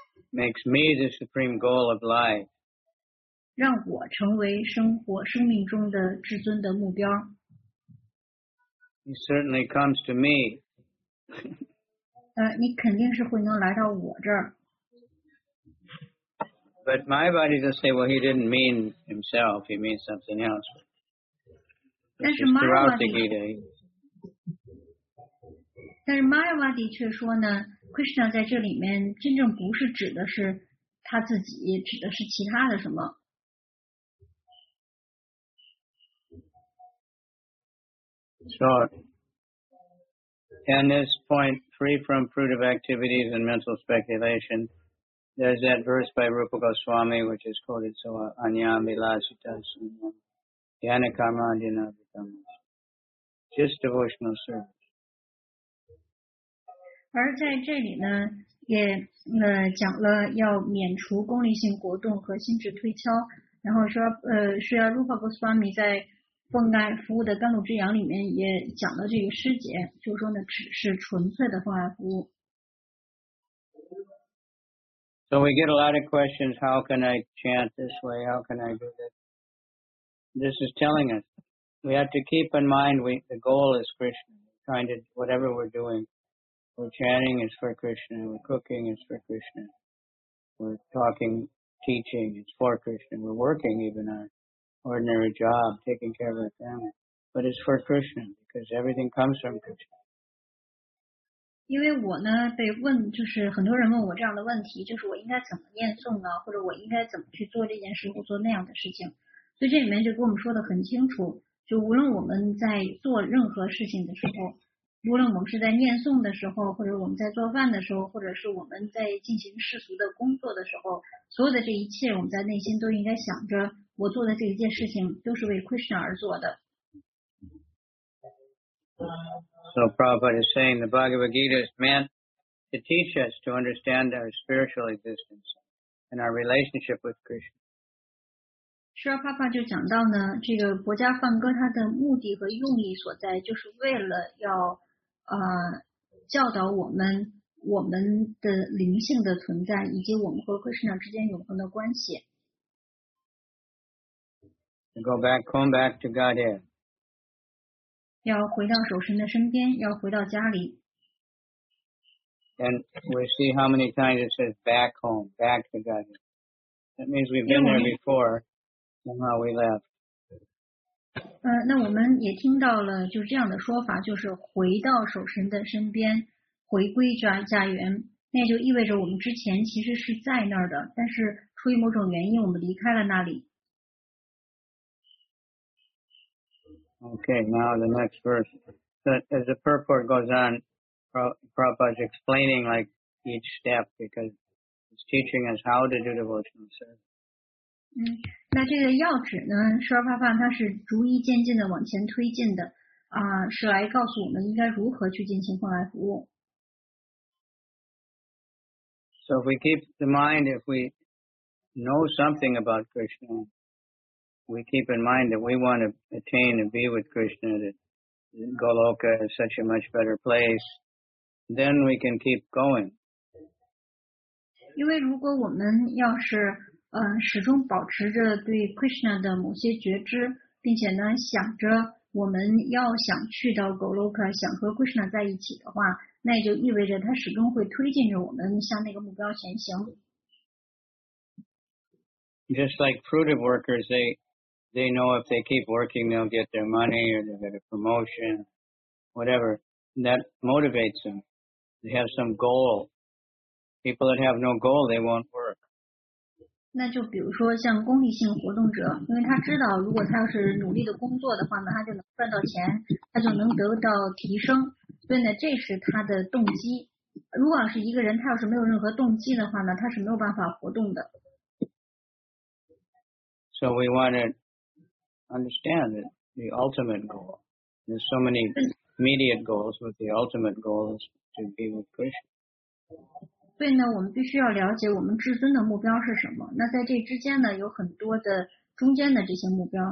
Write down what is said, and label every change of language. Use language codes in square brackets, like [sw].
[en] Makes me the supreme goal of life. [zh] 让我成为生命中的至尊的目标。 [en] He certainly comes to me. [zh] 你肯定是会能来到我这儿。 [en] But my body doesn't say, well, he didn't mean himself. He means something else. But [zh] 但是 Mayavadi 却说呢， Krishna 在这里面真正不是指的是他自己，指的是其他的什么。 [en] So, and this point, free from fruitive activities and mental speculation, there's that verse by Rupa Goswami, which is quoted so, [sa] Anyam Vilasita Sunyam, Yana Karmandina Vitamas. [en] Just devotional service. [zh] 而在这里呢，也讲了要免除功利性果动和心智推敲，然后说是要 Rupa Goswami 在奉爱服务的甘露之阳里面也讲了这个诗节，就说呢，只是纯粹的奉爱服务。 [en] So we get a lot of questions, how can I chant this way? How can I do this? This is telling us. We have to keep in mind the goal is Krishna. We're trying to, whatever we're doing, we're chanting is for Krishna, we're cooking is for Krishna, we're talking teaching, it's for Krishna. We're working even our ordinary job, taking care of our family. But it's for Krishna, because everything comes from Krishna. [zh] 因为我呢被问，就是很多人问我这样的问题，就是我应该怎么念诵呢，或者我应该怎么去做这件事或做那样的事情，所以这里面就跟我们说的很清楚，就无论我们在做任何事情的时候，无论我们是在念诵的时候，或者我们在做饭的时候，或者是我们在进行世俗的工作的时候，所有的这一切我们在内心都应该想着，我做的这一件事情都是为 Krishna 而做的。 [en] So Prabhupada is saying the Bhagavad Gita is meant to teach us to understand our spiritual existence and our relationship with Krishna. [zh] Srila Prabhupada 就讲到呢，这个《薄伽梵歌》它的目的和用意所在，就是为了要教导我们的灵性的存在，以及我们和 Krishna 之间永恒的关系。 [en] Come back to Godhead. [zh] 要回到守神的身边，要回到家里。 [en] And we see how many times it says back home, back to God. That means we've been there before, somehow we left. [zh] 那我们也听到了就这样的说法，就是回到守神的身边，回归家园。那就意味着我们之前其实是在那儿的，但是出于某种原因我们离开了那里。 [en] Okay, now the next verse. So as the purport goes on, Prabhupada is explaining like each step because it's teaching us how to do devotional service. [zh] 那这个要旨呢，舍尔帕帕他是逐一渐进的往前推进的，是来告诉我们应该如何去进行奉爱服务。 [en] So if we keep the mind, if we know something about Krishna,we keep in mind that we want to attain and be with Krishna, that Goloka is such a much better place, then we can keep going. [zh] 因为如果我们要是始终保持着对 Krishna 的某些觉知，并且呢想着我们要想去到 Goloka, 想和 Krishna 在一起的话，那也就意味着他始终会推进着我们向那个目标前行。 [en] Just like fruitive workers, they know if they keep working, they'll get their money or they'll get a promotion, whatever. And that motivates them. They have some goal. People that have no goal, they won't work. [zh] 那就比如说像功利性活动者，因为他知道如果他要是努力的工作的话呢，他就能赚到钱，他就能得到提升。所以呢，这是他的动机。如果是一个人，他要是没有任何动机的话呢，他是没有办法活动的。 [en] So we want to understand that the ultimate goal. There's so many immediate goals, but the ultimate goal is to be with Krishna. [zh] 所以呢，我们必须要了解我们至尊的目标是什么。那在这之间呢，有很多的中间的这些目标。